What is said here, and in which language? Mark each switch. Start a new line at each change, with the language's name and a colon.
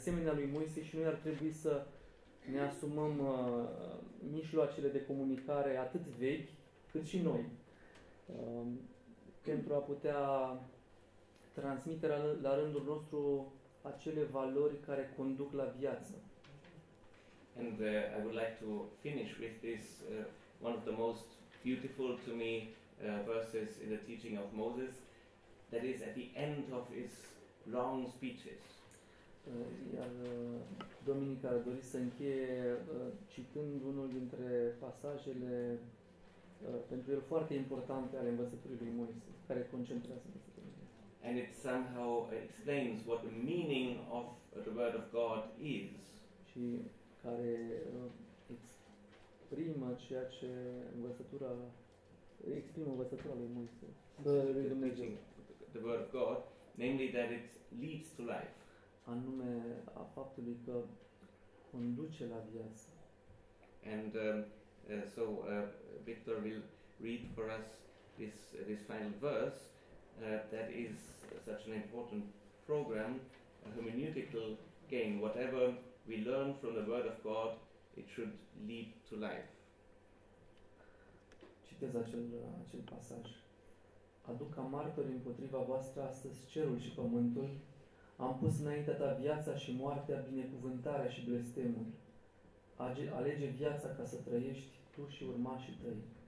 Romanian: Asemenea lui Moise și noi ar trebui să ne asumăm mijloacele de comunicare atât vechi cât și noi pentru a putea transmite la rândul nostru acele valori care conduc la viață.
English: And I would like to finish with this one of the most beautiful to me verses in the teaching of Moses, that is at the end of his long speeches.
Romanian: Iar Duminica ar dori să încheie citând unul dintre pasajele pentru el foarte importante ale învățăturii lui Moise, care concentrează.
English: And it somehow explains what the meaning of the word of God is.
Romanian: Și care exprimă ceea ce învățătura exprimă învățătura lui Moise.
English: The word of God, namely that it leads to life.
Romanian: Anume a faptului că conduce la viață.
English: And so Victor will read for us this final verse that is such an important program, a hermeneutical gain. Whatever we learn from the Word of God, it should lead to life.
Romanian: Citez acel pasaj. Aduc ca martori împotriva voastră astăzi cerul și pământul. Am pus înaintea ta viața și moartea, binecuvântarea și blestemul. Alege viața ca să trăiești tu și urmașii tăi.